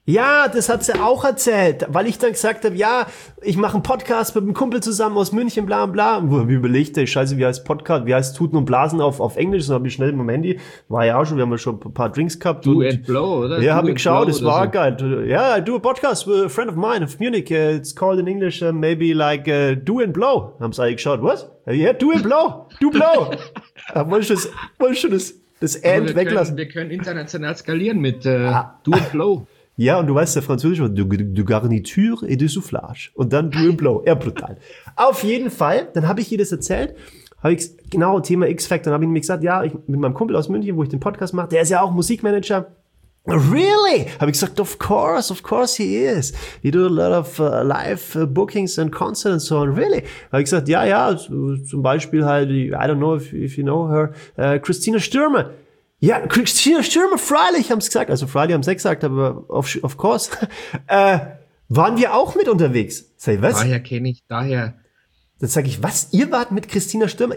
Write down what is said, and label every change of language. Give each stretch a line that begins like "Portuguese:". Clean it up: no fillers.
German: Ja, das hat sie auch erzählt, weil ich dann gesagt habe, ja, ich mache einen Podcast mit einem Kumpel zusammen aus München, bla bla. Und wo ich überlegte, scheiße, wie heißt Podcast, wie heißt Tuten und Blasen auf Englisch? Und dann habe ich schnell in meinem Handy, war ja auch schon, wir haben ja schon ein paar Drinks gehabt. Du and Blow, oder? Ja, habe ich geschaut, das war so geil.
English: Ja, yeah, do a podcast with a friend of mine of Munich. It's called in English maybe like Do and Blow.
German: Haben sie alle geschaut, was?
English: Yeah, Do and Blow, Do Blow.
German: Wolltest du das? Das End weglassen. Wir können international skalieren mit Du und Blow. Ja, und du weißt ja Französisch,
French: du Garniture et du Soufflage.
German: Und dann Du und Blow. Ja, brutal. Auf jeden Fall, dann habe ich ihr das erzählt, habe ich genau Thema X-Factor, dann habe ich mir gesagt, ja, ich mit meinem Kumpel aus München, wo ich den Podcast mache, der ist ja auch Musikmanager.
English: Really?
German: Habe ich gesagt,
English: of course he is. He do a lot of live bookings and concerts and so on. Really?
German: Habe ich gesagt, ja, zum Beispiel halt,
English: I don't know if you know her,
German: Christina Stürmer. Ja, Christina Stürmer, freilich, haben sie gesagt. Also freilich haben sie gesagt, aber
English: of course.
German: waren wir auch mit unterwegs? Sag ich, was? Daher kenne ich. Dann sage ich, was, ihr wart mit Christina Stürmer?